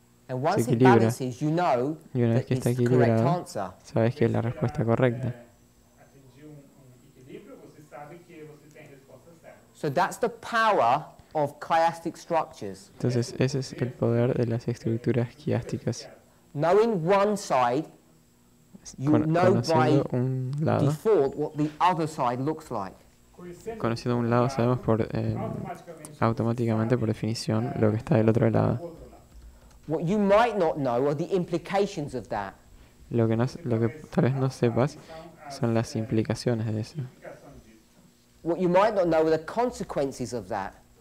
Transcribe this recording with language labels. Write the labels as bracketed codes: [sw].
[en] And once it balances, you know that it's the correct answer. [es] Sabes que es la respuesta correcta. [en] So that's the power of chiastic structures. [es] Entonces ese es el poder de las estructuras quiásticas. [en] Knowing one side, you know by default what the other side looks like. [es] Conociendo un lado sabemos por automáticamente por definición lo que está del otro lado. [en] What you might not know are the implications of that. [es] Lo que tal vez no sepas son las implicaciones de eso. [en] What you might not know are the consequences of that.